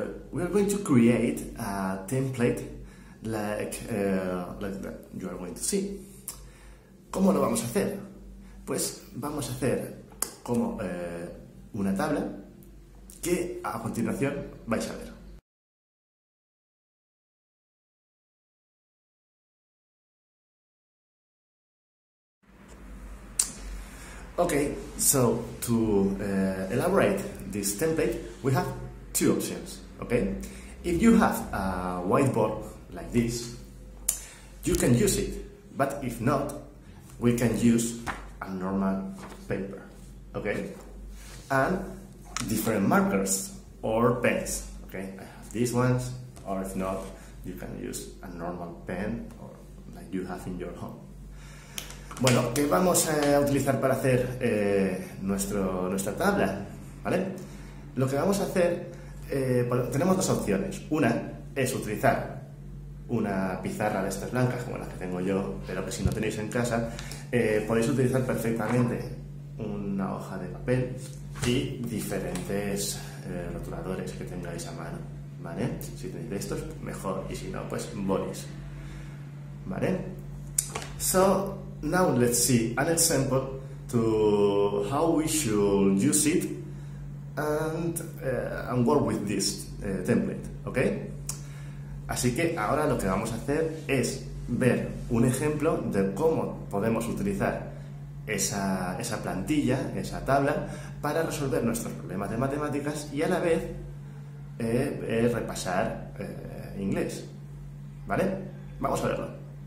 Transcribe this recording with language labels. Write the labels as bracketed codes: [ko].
[en] We are going to create a template like that you are going to see. [es] ¿Cómo lo vamos a hacer? Pues vamos a hacer como una tabla que a continuación vais a ver. [en] Okay, so to elaborate this template, we have two options. Okay, if you have a whiteboard like this, you can use it, but if not, we can use a normal paper, okay, and different markers or pens. Okay, I have these ones, or if not, you can use a normal pen or like you have in your home. [es] Bueno, ¿qué vamos a utilizar para hacer nuestra tabla? ¿Vale? Lo que vamos a hacer, bueno, tenemos dos opciones. Una es utilizar una pizarra de estas blancas, como las que tengo yo, pero que si no tenéis en casa, podéis utilizar perfectamente una hoja de papel y diferentes rotuladores que tengáis a mano. ¿Vale? Si tenéis de estos, mejor, y si no, pues bolis. ¿Vale? [en] So, now let's see an example to how we should use it and work with this template, okay? [es] Así que ahora lo que vamos a hacer es ver un ejemplo de cómo podemos utilizar esa plantilla, esa tabla, para resolver nuestros problemas de matemáticas y a la vez repasar inglés. ¿Vale? Vamos a verlo.